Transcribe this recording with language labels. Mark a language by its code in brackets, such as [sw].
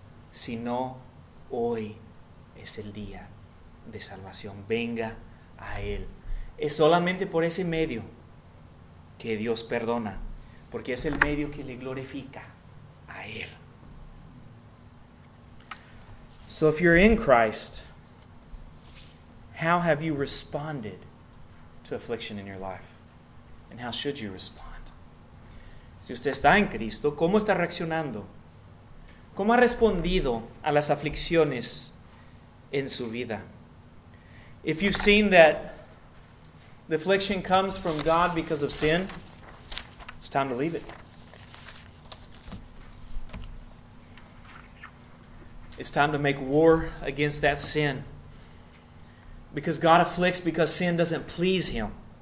[es] Si no, hoy es el día de salvación. Venga a Él. Es solamente por ese medio que Dios perdona, porque es el medio que le glorifica a Él. [en] So if you're in Christ, how have you responded to affliction in your life? And how should you respond? [es] Si usted está en Cristo, ¿cómo está reaccionando? ¿Cómo ha respondido a las aflicciones en su vida? [en] If you've seen that the affliction comes from God because of sin, it's time to leave it. It's time to make war against that sin. Because God afflicts because sin doesn't please him.